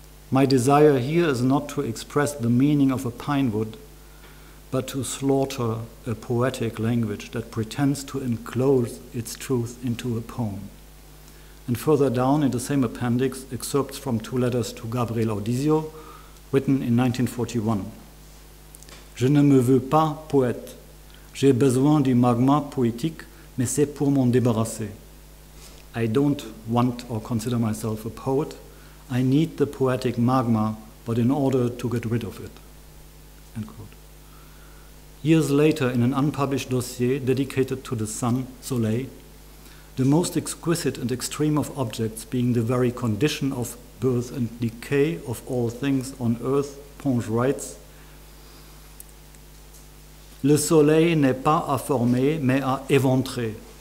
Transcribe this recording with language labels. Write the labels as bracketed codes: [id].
[en] My desire here is not to express the meaning of a pine wood, but to slaughter a poetic language that pretends to enclose its truth into a poem. And further down in the same appendix, excerpts from two letters to Gabriel Audizio, written in 1941. [fr] Je ne me veux pas poète. J'ai besoin du magma poétique, mais c'est pour m'en débarrasser. [en] I don't want or consider myself a poet. I need the poetic magma, but in order to get rid of it. End quote. Years later, in an unpublished dossier dedicated to the sun, soleil, the most exquisite and extreme of objects being the very condition of birth and decay of all things on earth, Ponge writes, [fr] le soleil n'est pas à former, mais à éventrer.